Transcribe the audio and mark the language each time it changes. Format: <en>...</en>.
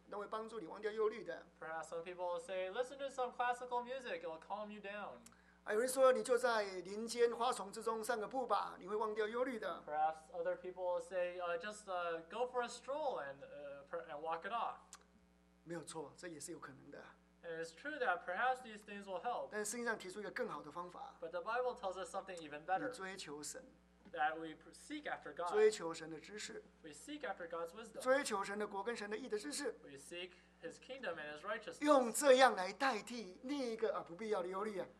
<en>Perhaps some people will say, listen to some classical music, it will calm you down.</en> <zh>有人说你就在林间花丛之中散个步吧，你会忘掉忧虑的。</zh> <en>Perhaps other people will say, go for a stroll and walk it off.</en> <zh>没有错，这也是有可能的。</zh> <en>And it's true that perhaps these things will help.</en> <zh>但圣经上提出一个更好的方法。</zh> <en>But the Bible tells us something even better.</en> <zh>你追求神。</zh> <en>That we seek after God.</en> <zh>追求神的知识。</zh> <en>We seek after God's wisdom.</en> <zh>追求神的国跟神的义的知识。</zh> <en>We seek His kingdom and His righteousness.</en> <zh>用这样来代替那个不必要的忧虑啊。</zh>